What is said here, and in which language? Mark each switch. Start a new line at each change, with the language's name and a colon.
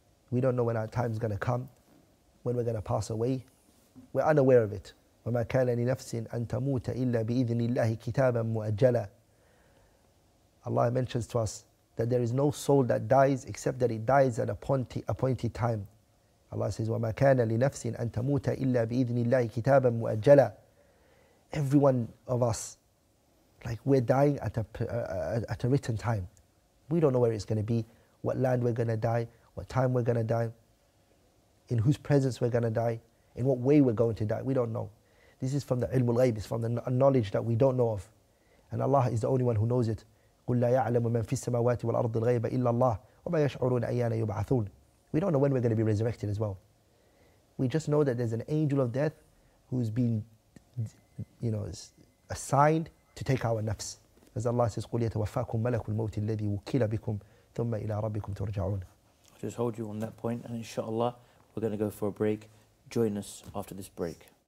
English: We don't know when our time's going to come, when we're going to pass away. We're unaware of it.
Arabic: وَمَا كَانَ لِنَفْسٍ أَن تَمُوتَ إِلَّا بِإِذْنِ اللَّهِ كِتَابًا مُؤَجَّلًا.
English: Allah mentions to us that there is no soul that dies except that it dies at appointed time. Allah says,
Arabic: وَمَا كَانَ لِنَفْسٍ أَن تَمُوتَ إِلَّا بِإِذْنِ اللَّهِ كِتَابًا مُؤَجَّلًا.
English: Every one of us, like, we're dying at a written time. We don't know where it's going to be, what land we're going to die, what time we're going to die, in whose presence we're going to die, in what way we're going to die. We don't know. This is from the ilm al-ghayb, it's from the knowledge that we don't know of. And Allah is the only one who knows it.
Arabic: قُلْ لَا يَعْلَمُ مَنْ فِي السَّمَاوَاتِ وَالْأَرْضِ الْغَيْبَ إِلَّا اللَّهِ وَمَا يَشْعُرُونَ أَيَّانَ يُبْعَثُونَ.
English: We don't know when we're going to be resurrected as well. We just know that there's an angel of death who's been, you know, assigned to take our nafs. As Allah says,
Arabic: قُلْ يَتَوَفَّاكُمْ مَلَكُ الْمَوْتِ الَّذِي وُكِّلَ بِكُمْ ثُمَّ إِلَىٰ رَبِّكُمْ تُرْجَعُونَ.
English: I'll just hold you on that point, and inshallah, we're going to go for a break. Join us after this break.